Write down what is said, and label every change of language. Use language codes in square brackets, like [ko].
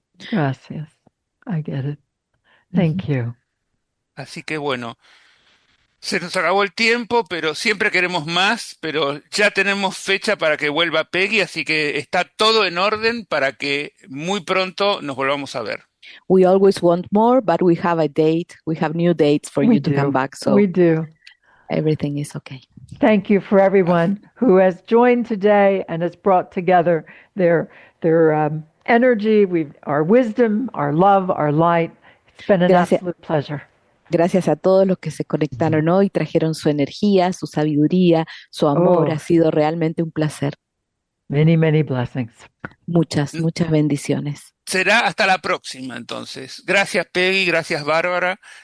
[es] Gracias. [en] I get it. Thank you. [es] Así que bueno, se nos acabó el tiempo, pero siempre queremos más, pero ya tenemos fecha para que vuelva Peggy, así que está todo en orden para que muy pronto nos volvamos a ver. [en] We always want more, but we have a date. We have new dates for we you do. To come back. So we do. Everything is okay. Thank you for everyone who has joined today and has brought together their energy, our wisdom, our love, our light. It's been an [es] Gracias. [en] Absolute pleasure. [es] Gracias a todos los que se conectaron hoy, trajeron su energía, su sabiduría, su amor. Oh. Ha sido realmente un placer. [en] Many, many blessings. [es] Muchas, muchas bendiciones. Será hasta la próxima, entonces. Gracias, Peggy. Gracias, Bárbara.